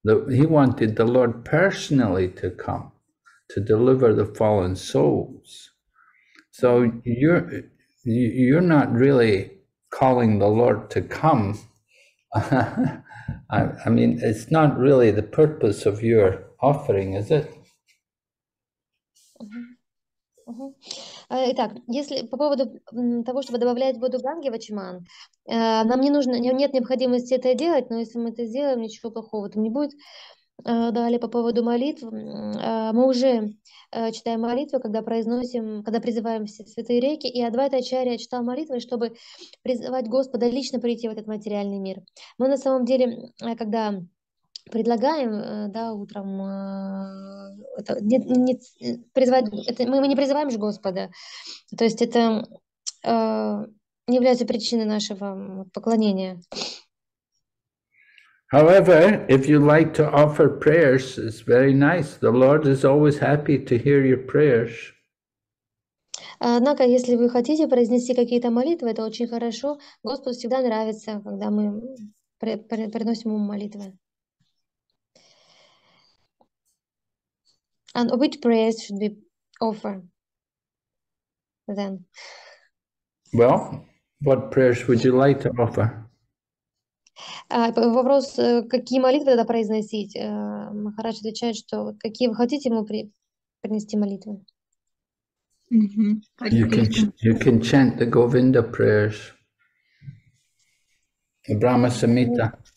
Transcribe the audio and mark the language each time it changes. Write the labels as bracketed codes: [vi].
[en] He wanted the Lord personally to come to deliver the fallen souls. So you're not really calling the Lord to come. I mean, it's not really the purpose of your offering, is it? [ru] Итак, если по поводу того, чтобы добавлять воду Ганги в Ачиман, нам не нужно, нет необходимости это делать, но если мы это сделаем, ничего плохого там не будет. Далее, по поводу молитв, мы уже читаем молитвы, когда произносим, когда призываем все святые реки, и Адвайта Ачария читал молитвы, чтобы призывать Господа лично прийти в этот материальный мир. Мы на самом деле, когда предлагаем, да, утром, это, не, призывать, это, мы не призываем же Господа, то есть это не является причиной нашего поклонения. [en] However, if you like to offer prayers, it's very nice. The Lord is always happy to hear your prayers. [ru] Однако, если вы хотите произнести какие-то молитвы, это очень хорошо. Господу всегда нравится, когда мы приносим ему молитвы. [en] And which prayers should be offered then? Well, what prayers would you like to offer? [ru] Вопрос, какие молитвы тогда произносить? Махарадж отвечает, что какие вы хотите ему принести молитвы? [en] You can chant the Govinda prayers, the Brahma Samhita.